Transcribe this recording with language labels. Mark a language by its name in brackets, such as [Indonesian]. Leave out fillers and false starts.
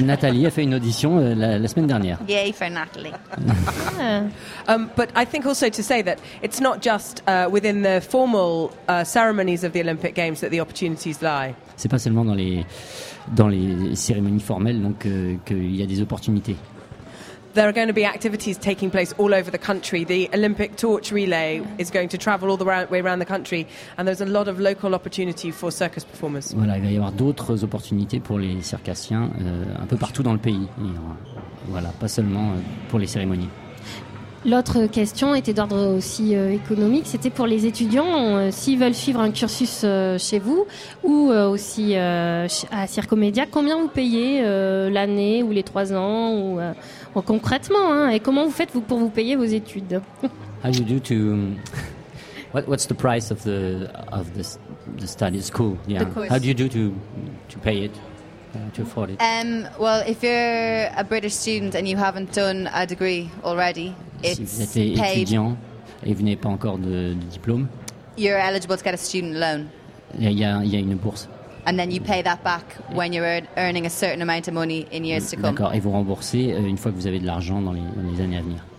[French] Natalie a fait une audition la semaine dernière. [English] Yay for Natalie. But I think also to say that it's not just within the formal ceremonies of the Olympic Games that the opportunities lie. [French] C'est pas seulement dans les cérémonies formelles donc qu'il y a des opportunités. [English] There are going to be activities taking place all over the country. The Olympic torch relay is going to travel all the way around the country, and there's a lot of local opportunity for circus performers. [French] Voilà, il va y avoir d'autres opportunités pour les circassiens un peu partout dans le pays. Et voilà, pas seulement pour les cérémonies. L'autre question était d'ordre aussi économique. C'était pour les étudiants, s'ils veulent suivre un cursus chez vous ou aussi à Circomédia, combien vous payez l'année ou les 3 ans ou concrètement, hein, et comment vous faites pour vous payer vos études? [English] How do you do to what's the price of the study school? Yeah. How do you do to pay it? To afford it? Well, if you're a British student and you haven't done a degree already, [French] si vous êtes étudiant et vous n'avez pas encore de diplôme, [English] you're eligible to get a student loan. [French] Il y a une bourse. [English] And then you pay that back when you're earning a certain amount of money in years to come. [French] D'accord, et vous remboursez une fois que vous avez de l'argent dans les années à venir.